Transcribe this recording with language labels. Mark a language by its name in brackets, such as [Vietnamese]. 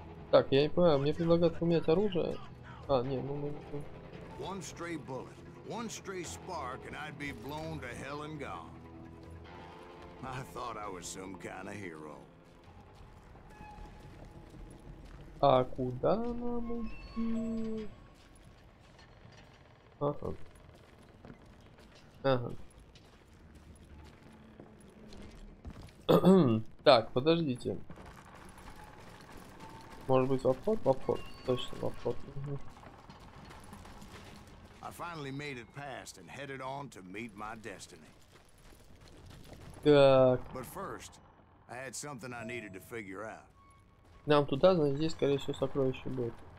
[Russian] Так, я не понимаю, мне предлагают поменять оружие. А, не, ну мы. [English] One stray bullet, one stray spark, and I'd be blown to hell and gone. I thought I was some kind of hero. [Russian] А куда нам идти? Ага. Ага. Так, подождите. Может быть, вход? Вход. Точно, вход. [English] I finally made it past and headed on to meet my destiny. [Russian] Так. [English] But first, I had something I needed to figure out. [Russian] Нам туда, значит, здесь, скорее всего, сокровище будет.